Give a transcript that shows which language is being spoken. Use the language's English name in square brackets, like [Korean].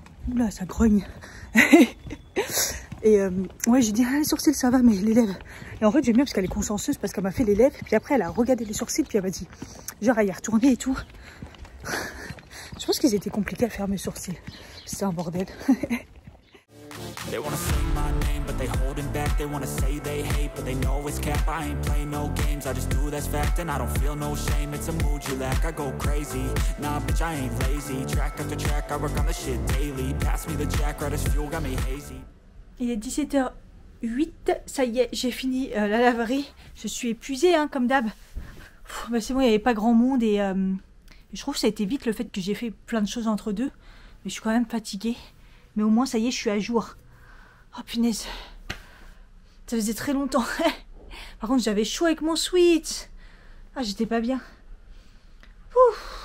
[French] Oula, ça grogne. Et ouais, j'ai dit, ah, les sourcils, ça va, mais les lèvres. Et en fait, j'aime bien parce qu'elle est consciencieuse, parce qu'elle m'a fait les lèvres. Puis après, elle a regardé les sourcils, puis elle m'a dit, genre, elle y est retournée et tout. Je pense qu'ils étaient compliqués à faire mes sourcils. C'est un bordel. [English] They wanna say my name, but they holding back. They wanna say they hate, but they know it's cap. I ain't play no games, I just do that's fact. And I don't feel no shame, it's a mood you lack. I go crazy, nah bitch I ain't lazy. Track after track, I work on the shit daily. Pass me the jack, right as fuel, got me hazy. [French] Il est 17h08, ça y est, j'ai fini la laverie. Je suis épuisée, hein, comme d'hab. Bah c'est bon, il n'y avait pas grand monde et je trouve que ça a été vite le fait que j'ai fait plein de choses entre deux. Mais je suis quand même fatiguée. Mais au moins, ça y est, je suis à jour. Oh punaise, ça faisait très longtemps. Par contre, j'avais chaud avec mon sweat. Ah, j'étais pas bien. Ouh.